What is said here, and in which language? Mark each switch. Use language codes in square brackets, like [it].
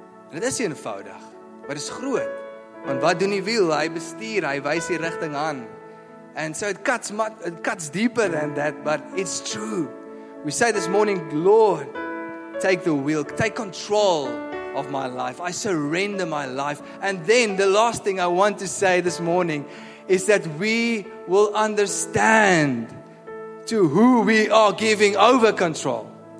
[af] En het is eenvoudig, maar het is groot. Want wat doen die wiel? Hy bestuur, hy wys die rigting aan. [en] And so it cuts deeper than that, but it's true. We say this morning, Lord, take the wheel, take control of my life. I surrender my life. And then the last thing I want to say this morning is that we will understand to who we are giving over control.